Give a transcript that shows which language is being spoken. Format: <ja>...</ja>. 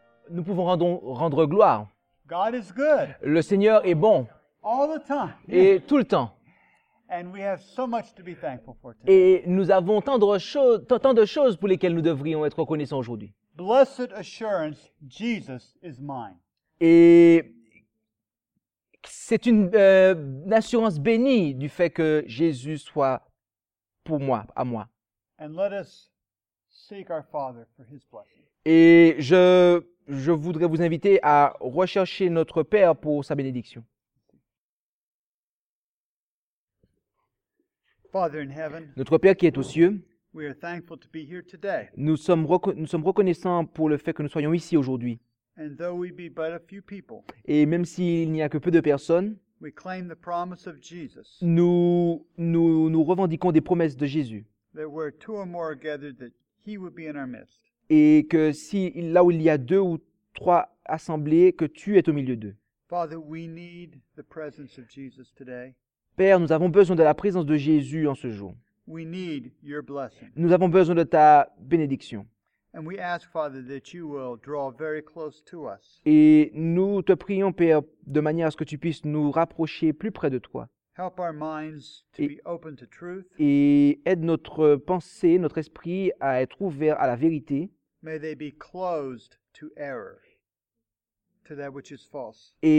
<fr>nous pouvons rendre gloire.</fr> <en>God is good.</en> <fr>Le Seigneur est bon.</fr> <en>All the time.</en> <fr>Et tout le temps.</fr> <en>And we have so much to be thankful for today.</en> <fr>Et nous avons tant de choses pour lesquelles nous devrions être reconnaissants aujourd'hui.</fr> <en>Blessed assurance, Jesus is mine.</en> <fr>Et c'est une assurance bénie du fait que Jésus soit pour moi, à moi.</fr> <en>And let us seek our Father for his blessing.</en> <fr>Et je voudrais vous inviter à rechercher notre Père pour sa bénédiction.</fr> <en>Father in heaven,</en> <fr>notre Père qui est aux cieux,</fr> <en>we are thankful to be here today.</en> <fr>Nous sommes reconnaissants pour le fait que nous soyons ici aujourd'hui.</fr> <en>And though we be but a few people,</en> <fr>et même s'il n'y a que peu de personnes,</fr> <en>we claim the promise of Jesus.</en> <fr>Nous revendiquons des promesses de Jésus.</fr> <en>That were two or more gathered, that he would be in our midst.</en> <fr>Et que si là où il y a deux ou trois assemblées, que tu es au milieu d'eux.</fr> <en>Father, we need the presence of Jesus today.</en> <fr>Père, nous avons besoin de la présence de Jésus en ce jour.</fr> <en>We need your blessing.</en> <fr>Nous avons besoin de ta bénédiction.</fr> <en>And we ask, Father, that you will draw very close to us.</en> <fr>Et nous te prions, Père, de manière à ce que tu puisses nous rapprocher plus près de toi.</fr> <en>Help our minds to be open to truth.</en> <fr>Et aide notre pensée, notre esprit à être ouvert à la vérité.</fr> <en>May they be closed to error, to that which is false.</en>